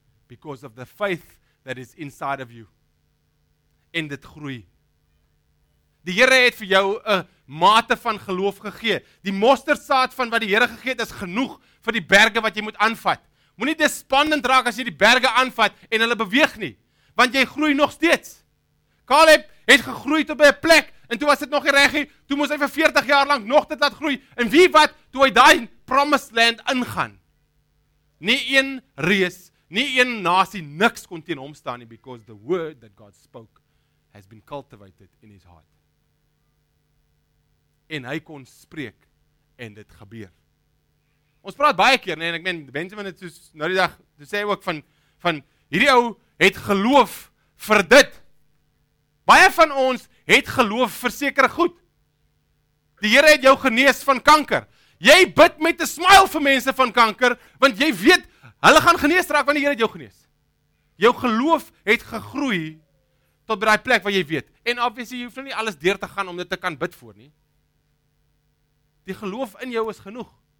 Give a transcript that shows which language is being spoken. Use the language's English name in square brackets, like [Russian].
[English] Because of the faith that is inside of you. [Afrikaans] En dit groei. Die Here het vir jou 'n mate van geloof gegee. Die mosterdsaad van wat die Here gegee het is genoeg vir die berge wat jy moet aanvat. Moenie despondent raak as jy die berge aanvat en hulle beweeg nie, want jy groei nog steeds. Caleb het gegroei tot by 'n plek en toe was dit nog nie reg nie. Toe moes hy vir 40 jaar lank nog dit laat groei. En wie wat toe hy daai promised land ingaan? Nie een reus, nie een nasie, niks kon teen hom staan nie, because the word that God spoke has been cultivated in his heart. En hy kon spreek en dit gebeur. Ons praat baie keer, nee, en ek meen Benjamin het soos nou die dag toe sê ook van hierdie ou het geloof vir dit. Baie van ons het geloof vir sekere goed. Die Here het jou genees van kanker. Jy bid met 'n smile vir mense van kanker want jy weet hulle gaan genees raak want die Here het jou genees. Jou geloof het gegroei tot by daai plek waar jy weet. En obviously jy hoef nie alles deur te gaan om dit te kan bid vir nie. Die geloof in jou is genoeg.